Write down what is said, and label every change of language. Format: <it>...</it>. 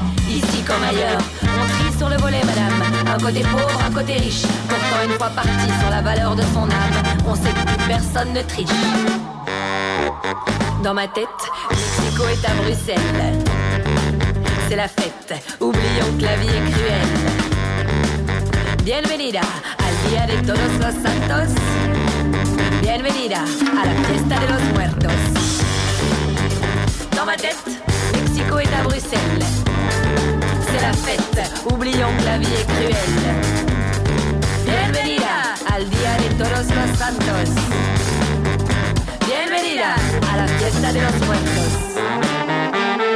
<fr>Ici comme ailleurs, on trie sur le volet, madame. Un côté pauvre, un côté riche. Pourtant, une fois parti sur la valeur de son âme, on sait que plus personne ne triche. Dans ma tête, Mexico est à Bruxelles. C'est la fête, oublions que la vie est cruelle.</fr> <es>Bienvenida al Día de Todos los Santos. Bienvenida a la Fiesta de los Muertos.</es> <fr>Dans ma tête, Mexico est à Bruxelles. C'est la fête, oublions que la vie est cruelle.</fr> <es>Bienvenida al Día de Todos los Santos. Bienvenida a la Fiesta de los Muertos.</es>